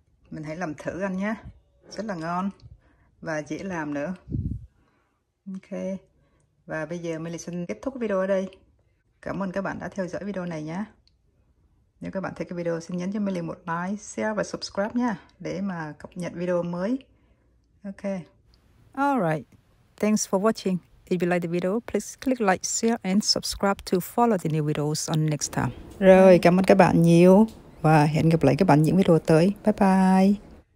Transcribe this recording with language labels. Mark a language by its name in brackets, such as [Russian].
[Vietnamese] Mình hãy làm thử ăn nhé. Rất là ngon và dễ làm nữa. Ok, và bây giờ mình xin kết thúc video ở đây. Cảm ơn các bạn đã theo dõi video này nhé. Nếu các bạn thấy cái video, xin nhấn cho Millie một like, share và subscribe nha, để mà cập nhật video mới. Ok. [English] Alright. Thanks for watching. If you like the video, please click like, share and subscribe to follow the new videos on next time. [Vietnamese] Rồi, cảm ơn các bạn nhiều. Và hẹn gặp lại các bạn những video tới. Bye bye.